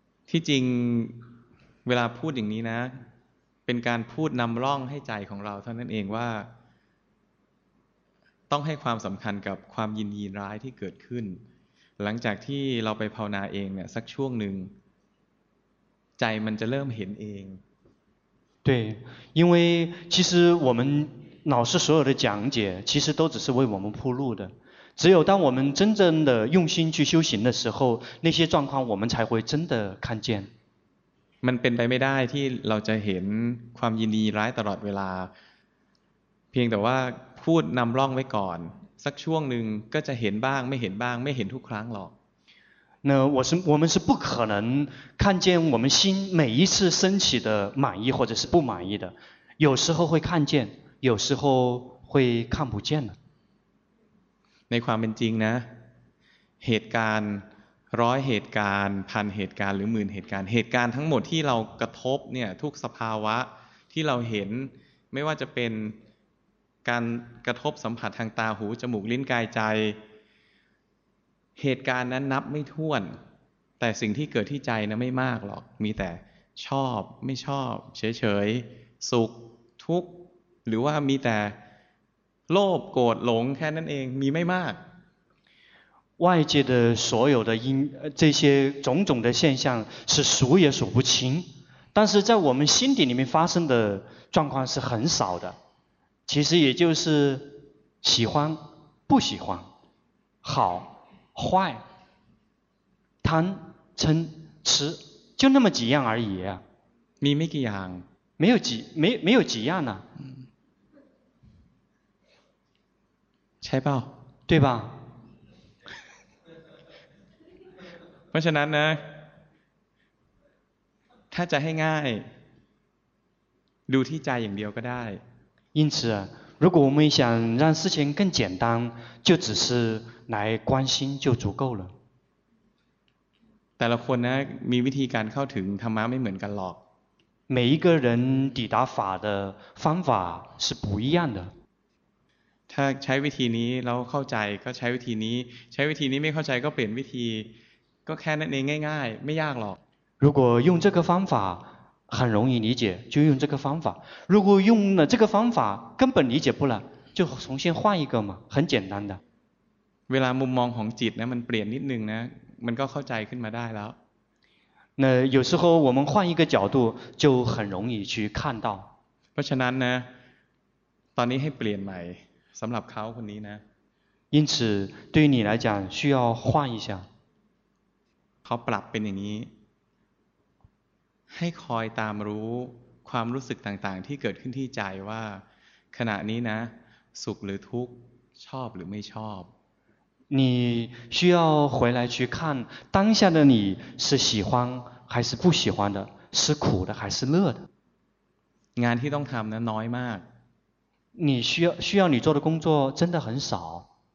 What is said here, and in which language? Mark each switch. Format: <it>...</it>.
<th>ที่จริงเวลาพูดอย่างนี้นะเป็นการพูดนำร่องให้ใจของเราเท่านั้นเองว่าต้องให้ความสำคัญกับความยินดีร้ายที่เกิดขึ้นหลังจากที่เราไปภาวนาเองเนี่ยสักช่วงหนึ่งใจมันจะเริ่มเห็นเอง</th> <zh>对因为其实我们老师所有的讲解其实都只是为我们铺路的只有当我们真正的用心去修行的时候那些状况我们才会真的看见</zh> <th>มันเป็นไปไม่ได้ที่เราจะเห็นความยินดีร้ายตลอดเวลาเพียงแต่ว่าพูดนำร่องไว้ก่อนสักช่วงหนึ่งก็จะเห็นบ้างไม่เห็นบ้างไม่เห็นทุกครั้งหรอก</th> <zh>那我们是不可能看见我们心每一次升起的满意或者是不满意的有时候会看见有时候会看不见的</zh> <th>ในความเป็นจริงนะเหตุการณ์ร้อยเหตุการณ์พันเหตุการณ์หรือหมื่นเหตุการณ์เหตุการณ์ทั้งหมดที่เรากระทบเนี่ยทุกสภาวะที่เราเห็นไม่ว่าจะเป็นการกระทบสัมผัสทางตาหูจมูกลิ้นกายใจ เหตุการณ์นั้นนับไม่ถ้วนแต่สิ่งที่เกิดที่ใจนะไม่มากหรอกมีแต่ชอบไม่ชอบเฉยๆสุขทุกข์หรือว่ามีแต่โลภโกรธหลงแค่นั้นเองมีไม่มาก</th> <zh>外界的所有的因这些种种的现象是数也数不清但是在我们心底里面发生的状况是很少的其实也就是喜欢不喜欢好坏贪嗔痴就就那么几样而已啊。</zh> <th>มีไม่กี่อย่าง</th> <zh>没有几没没有几样呢。</zh> <th>ใช่เปล่า</th> <zh>对吧</zh> <th>เพราะฉะนั้นนะถ้าจะให้ง่ายดูที่ใจอย่างเดียวก็ได้</th> <zh>因此如果我们想让事情更简单就只是来关心就足够了</zh> <th>แต่ละคนนะมีวิธีการเข้าถึงธรรมะไม่เหมือนกันหรอก</th> <zh>每一个人抵达法的方法是不一样的</zh> <th>ถ้าใช้วิธีนี้เราเข้าใจก็ใช้วิธีนี้ใช้วิธีนี้ไม่เข้าใจก็เปลี่ยนวิธีก็แค่นั้นเองง่ายๆไม่ยากหรอก</th> <zh>如果用这个方法很容易理解就用这个方法如果用了这个方法根本理解不了就重新换一个嘛很简单的</zh> <th>เวลามุมมองของจิตนะมันเปลี่ยนนิดนึงนะมันก็เข้าใจขึ้นมาได้แล้ว</th> <zh>那有时候我们换一个角度就很容易去看到</zh> <th>เพราะฉะนั้นนะตอนนี้ให้เปลี่ยนใหม่สำหรับเขาคนนี้นะ</th> <zh>因此对于你来讲需要换一下</zh> <th>เขาปรับเป็นอย่างนี้ให้คอยตามรู้ความรู้สึกต่างๆที่เกิดขึ้นที่ใจว่าขณะนี้นะสุขหรือทุกข์ชอบหรือไม่ชอบ</th> <zh>你需要回来去看当下的你是喜欢还是不喜欢的是苦的还是乐的</zh> <th>งานที่ต้องทำนะน้อยมาก</th> <zh>你需要你做的工作真的很少</zh>